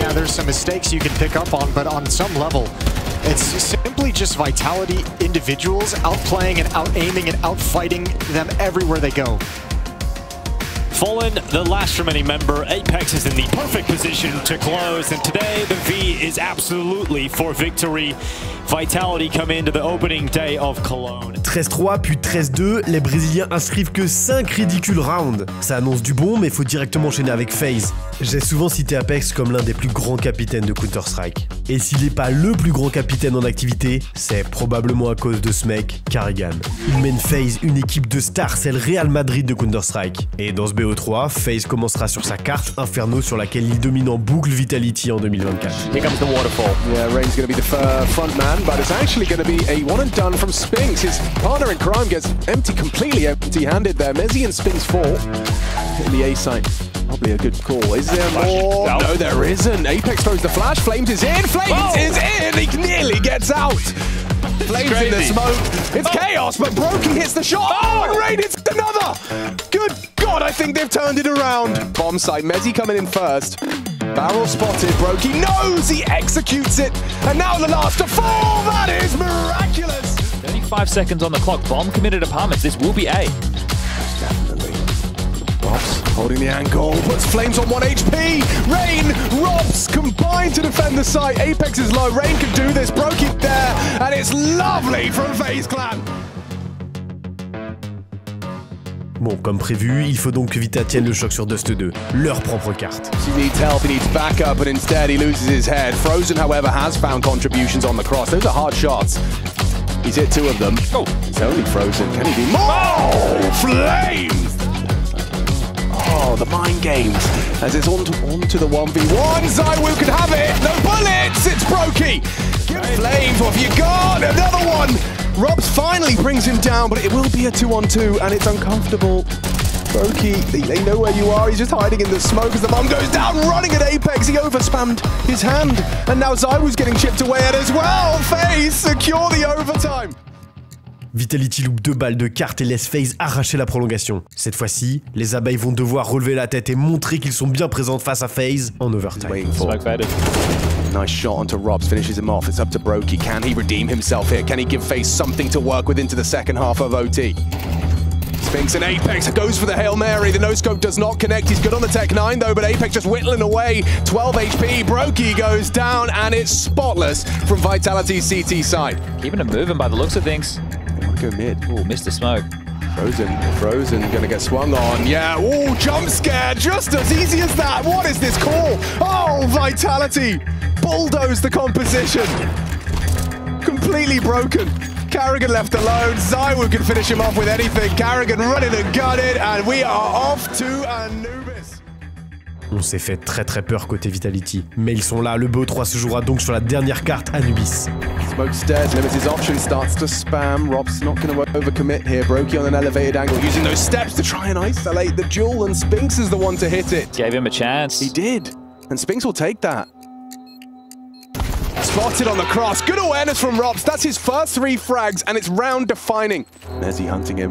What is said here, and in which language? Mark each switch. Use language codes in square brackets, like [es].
[en] Yeah, there's some mistakes you can pick up on, but on some level, it's simply just Vitality individuals outplaying and out-aiming and out-fighting them everywhere they go. Fallen, the last remaining member, Apex is in the perfect position to close, and today the V is absolutely for victory. Vitality come into the opening day of Cologne. [fr] 13-3 puis 13-2, les Brésiliens inscrivent que 5 ridicules rounds. Ça annonce du bon, mais faut directement enchaîner avec FaZe. J'ai souvent cité Apex comme l'un des plus grands capitaines de Counter-Strike. Et s'il n'est pas le plus grand capitaine en activité, c'est probablement à cause de ce mec, Karrigan. Il mène FaZe, une équipe de stars, c'est le Real Madrid de Counter-Strike. Et dans ce BO3, FaZe commencera sur sa carte Inferno sur laquelle il domine en boucle Vitality en 2024. [en] Here comes the waterfall. Yeah, Rain's gonna be the front man, but it's actually gonna be a one and done from Spinks. His partner in crime gets empty, completely empty-handed there. Mezzy and Spinks fall in the A site. Probably a good call. Is there more? No, there isn't. Apex throws the flash. Flames is in. Flames is in. He nearly gets out. Flames in the smoke. It's chaos, but Broky hits the shot. Oh, Rain, it's another. Good God, I think they've turned it around. Bomb site. Mezzy coming in first. Barrel spotted. Broky knows. He executes it. And now the last to fall. That is miraculous. 35 seconds on the clock. Bomb committed apartments. This will be A. Holding the angle, puts Flames on 1 HP, Rain, Robs combined to defend the site, Apex is low, Rain can do this, Broky there, and it's lovely from FaZe Clan. [fr] Bon, comme prévu, il faut donc que Vita tienne le choc sur Dust 2, leur propre carte. [en] He needs help, he needs backup, but instead he loses his head. Frozen, however, has found contributions on the cross, those are hard shots. He's hit two of them. Oh, he's only frozen, can he do more? Oh, Flames! Oh, the mind games, as it's onto the 1v1, Zywoo can have it, no bullets, it's Broky! Give Flames, what have you got? Another one! Robs finally brings him down, but it will be a 2-on-2, and it's uncomfortable. Broky, they know where you are, he's just hiding in the smoke as the bomb goes down, running at Apex, he overspammed his hand, and now Zywoo's getting chipped away at as well! FaZe, secure the overtime! [fr] Vitality loupe 2 balles de carte et laisse FaZe arracher la prolongation. Cette fois-ci, les abeilles vont devoir relever la tête et montrer qu'ils sont bien présents face à FaZe en overtime. [en] Nice shot onto Robs, finishes him off. It's up to Broky. Can he redeem himself here? Can he give FaZe something to work with into the second half of OT? Spinks and Apex goes for the Hail Mary. The no-scope does not connect. He's good on the Tech 9 though, but Apex just whittling away. 12 HP, Broky goes down and it's spotless from Vitality's CT side. Keeping him moving by the looks of things. Go mid. Ooh, missed the smoke. Frozen, gonna get swung on. Yeah, ooh, jump scare, just as easy as that. What is this call? Oh, Vitality, bulldoze the composition. Completely broken. Karrigan left alone. Zywoo can finish him off with anything. Karrigan running and gunning, and we are off to Anubis. [fr] On s'est fait très très peur côté Vitality, mais ils sont là. Le BO3 se jouera donc sur la dernière carte, Anubis. [en] Smoke stairs, limits his options, starts to spam. Rob's not gonna overcommit here. Broky on an elevated angle, using those steps to try and isolate the duel, and Spinks is the one to hit it. Gave him a chance. He did. And Spinks will take that. Spotted on the cross. Good awareness from Robs. That's his first 3 frags, and it's round defining. Mezzy hunting him.